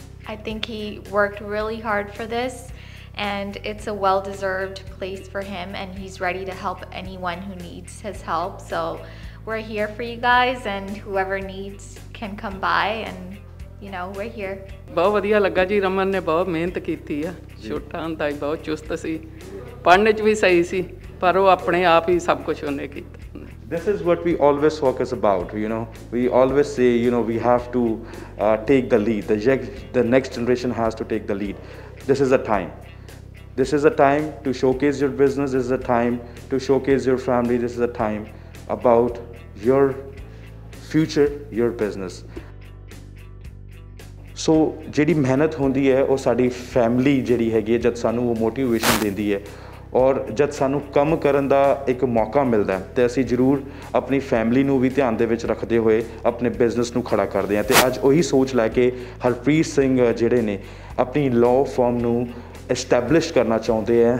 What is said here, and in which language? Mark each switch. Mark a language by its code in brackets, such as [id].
[en] I think he worked really hard for this and it's a well deserved place for him and he is ready to help anyone who needs his help, so we are here for you guys and whoever needs can come by and you know we are here. [pa] ਬਹੁਤ ਵਧੀਆ ਲੱਗਾ ਜੀ, ਰਮਨ ਨੇ ਬਹੁਤ ਮਿਹਨਤ ਕੀਤੀ ਆ, ਛੋਟਾ ਹੁੰਦਾ ਹੀ ਬਹੁਤ ਚੁਸਤ ਸੀ, ਪੜ੍ਹਨ 'ਚ ਵੀ ਸਹੀ ਸੀ, ਪਰ ਉਹ ਆਪਣੇ ਆਪ ਹੀ ਸਭ ਕੁਛ ਉਹਨੇ ਕੀਤਾ। [en] This is what we always focus about, you know. We always say, you know, we have to take the lead. The next generation has to take the lead. This is a time. This is a time to showcase your business. This is a time to showcase your family. This is a time about your future, your business. [pa] So, ਜਿਹੜੀ ਮਿਹਨਤ ਹੁੰਦੀ ਹੈ ਉਹ ਸਾਡੀ family ਜਿਹੜੀ ਹੈਗੀ ਹੈ ਜਦ ਸਾਨੂੰ ਉਹ ਮੋਟੀਵੇਸ਼ਨ ਦਿੰਦੀ ਹੈ, ਔਰ ਜਦ ਸਾਨੂੰ ਕੰਮ ਕਰਨ ਦਾ ਇੱਕ ਮੌਕਾ ਮਿਲਦਾ ਤਾਂ ਅਸੀਂ ਜ਼ਰੂਰ ਆਪਣੀ ਫੈਮਿਲੀ ਨੂੰ ਵੀ ਧਿਆਨ ਦੇ ਵਿੱਚ ਰੱਖਦੇ ਹੋਏ ਆਪਣੇ ਬਿਜ਼ਨਸ ਨੂੰ ਖੜ੍ਹਾ ਕਰਦੇ ਹਾਂ। ਅਤੇ ਅੱਜ ਉਹੀ ਸੋਚ ਲੈ ਕੇ ਹਰਪ੍ਰੀਤ ਸਿੰਘ ਜਿਹੜੇ ਨੇ ਆਪਣੀ ਲਾਅ ਫਰਮ ਨੂੰ ਇਸਟੈਬਲਿਸ਼ ਕਰਨਾ ਚਾਹੁੰਦੇ ਹੈ।